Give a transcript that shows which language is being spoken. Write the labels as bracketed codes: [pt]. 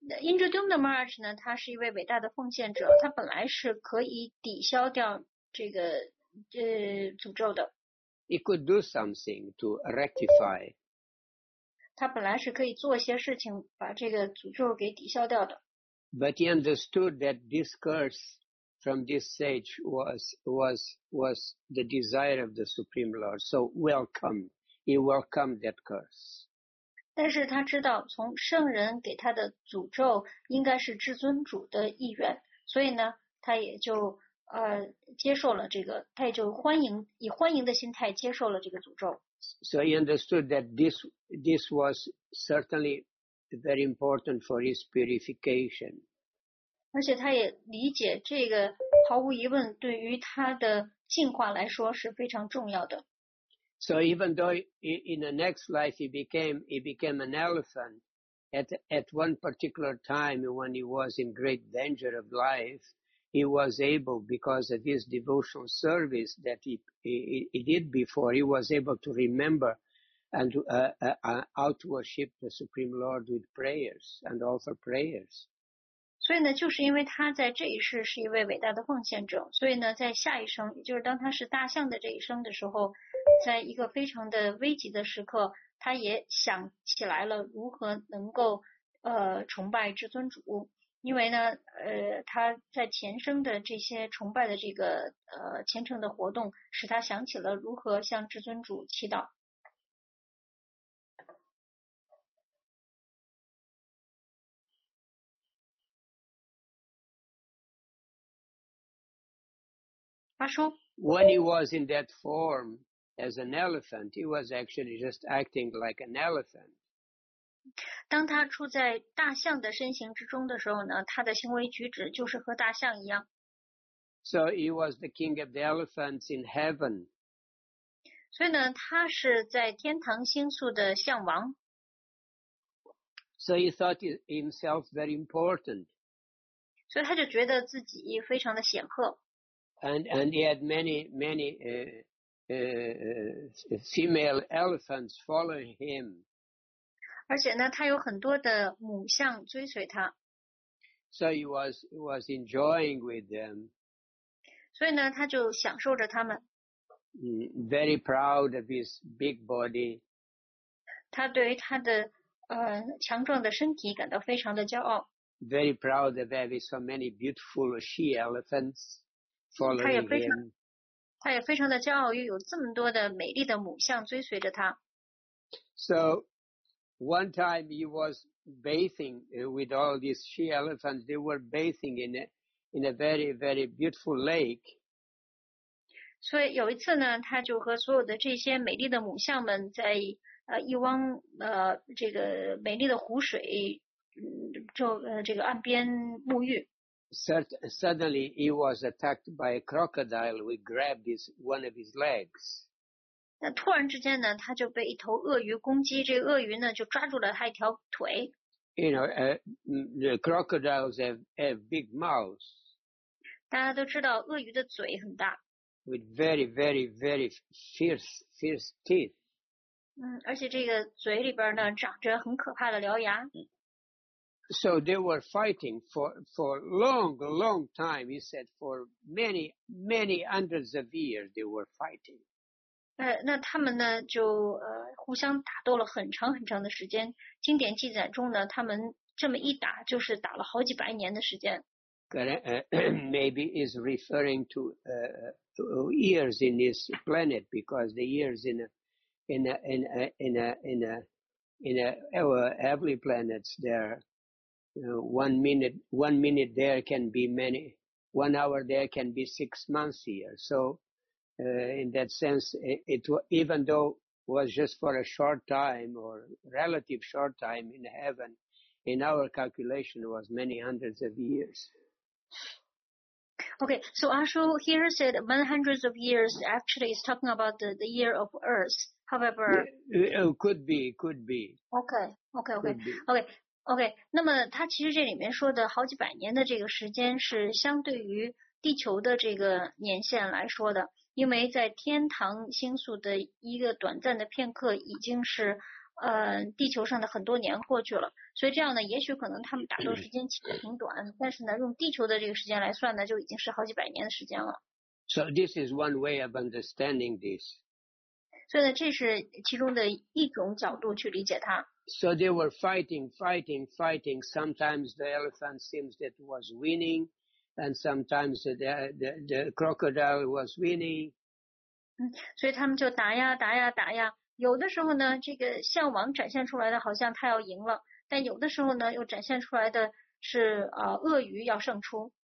[zh] Indradyumna Maharaj 呢，他是一位伟大的奉献者，他本来是可以抵消掉这个诅咒的。 [en] He could do something to rectify. [zh] 他本来是可以做些事情把这个诅咒给抵消掉的。 [en] But he understood that this curse. From this sage was the desire of the Supreme Lord. So welcome, he welcomed that curse. [zh] 但是他知道从圣人给他的诅咒应该是至尊主的意愿，所以呢，他也就接受了这个，他也就欢迎以欢迎的心态接受了这个诅咒。 [en] So he understood that this was certainly very important for his purification. [zh] 而且他也理解这个毫无疑问对于他的进化来说是非常重要的。 [en] So even though in the next life he became an elephant, at one particular time when he was in great danger of life, he was able, because of his devotional service that he did before, he was able to remember and how to worship the Supreme Lord with prayers and offer prayers. [zh] 所以呢，就是因为他在这一世是一位伟大的奉献者，所以呢，在下一生，也就是当他是大象的这一生的时候，在一个非常的危急的时刻，他也想起来了如何能够崇拜至尊主，因为呢，他在前生的这些崇拜的这个虔诚的活动，使他想起了如何向至尊主祈祷。 [en] When he was in that form as an elephant, he was actually just acting like an elephant. [zh] 当他处在大象的身形之中的时候呢，他的行为举止就是和大象一样。 [en] So he was the king of the elephants in heaven. [zh] 所以呢，他是在天堂星宿的象王。 [en] So he thought himself very important. [zh] 所以他就觉得自己非常的显赫。 [en] And he had many, many female elephants following him. [zh] 而且呢，他有很多的母象追随他。 [en] So he was enjoying with them. [zh] 所以呢，他就享受着他们。 [en] Very proud of his big body. [zh] 他对于他的强壮的身体感到非常的骄傲。 [en] Very proud of having so many beautiful she elephants. [zh] 他也非常的骄傲，又有这么多的美丽的母象追随着他。 [en] So, one time he was bathing with all these she elephants. They were bathing in a very, very beautiful lake. [zh] 所以有一次呢，他就和所有的这些美丽的母象们在一汪这个美丽的湖水这个岸边沐浴。 [en] Suddenly, he was attacked by a crocodile who grabbed one of his legs. [zh] 那突然之间呢，他就被一头鳄鱼攻击。这鳄鱼呢，就抓住了他一条腿。 [en] You know, the crocodiles have big mouths. [zh] 大家都知道，鳄鱼的嘴很大。 [en] With very, very, very fierce teeth. [zh] 而且这个嘴里边呢，长着很可怕的獠牙。 [en] So they were fighting for long, long time. He said for many, many hundreds of years they were fighting. [zh] 那他们呢就互相打斗了很长很长的时间。经典记载中呢，他们这么一打就是打了好几百年的时间。 [en] Maybe is referring to years in this planet because the years in a heavenly planets there. One minute there can be many. 1 hour there can be 6 months here. So, in that sense, even though it was just for a short time or relative short time in heaven, in our calculation was many hundreds of years. Okay, so Ashu here said many hundreds of years actually is talking about the year of Earth. However, it could be. Okay. [zh] OK, 那么他其实这里面说的好几百年的这个时间是相对于地球的这个年限来说的，因为在天堂星宿的一个短暂的片刻已经是地球上的很多年过去了，所以这样呢也许可能他们打斗时间其实挺短，但是呢用地球的这个时间来算呢就已经是好几百年的时间了。 [en] So this is one way of understanding this. [zh] 所以呢这是其中的一种角度去理解它。 [en] So they were fighting. Sometimes the elephant seems that was winning, and sometimes the crocodile was winning. [zh] 所以他们就打呀打呀打呀。有的时候呢，这个象王展现出来的好像他要赢了，但有的时候呢，又展现出来的是鳄鱼要胜出。